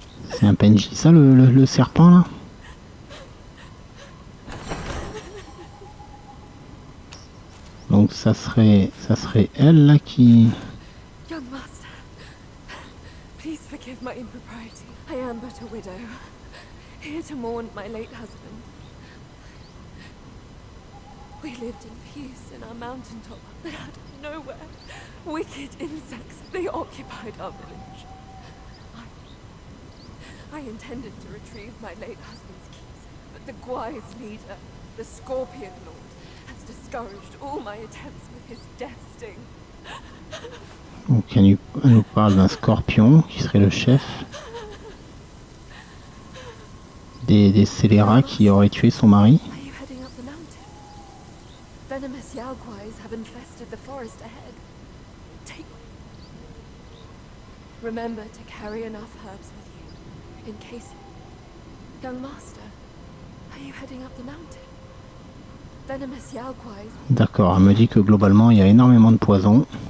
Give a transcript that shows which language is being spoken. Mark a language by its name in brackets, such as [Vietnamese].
[French] C'est un PNJ, ça, le serpent, là. Donc, ça serait elle, là, qui... [English] Young Master, please forgive my impropriety. I am but a widow, here to mourn my late husband. We lived in peace in our mountaintop, but out of nowhere, wicked insects, they occupied our village. I intended to retrieve my late husband's keys, but the Gwai's leader, the Scorpion Lord, has discouraged all my attempts with his death sting. [French] Donc elle nous parle d'un scorpion qui serait le chef des scélérats qui auraient tué son mari. [English] Are you heading up the mountain? Venomous Yao Gwai's have infested the forest ahead. Take one. Remember to carry enough herbs with you. In case, young master, are you heading up the mountain? Venomous Yao Gwai's. [French] D'accord, elle me dit que globalement il y a énormément de poison.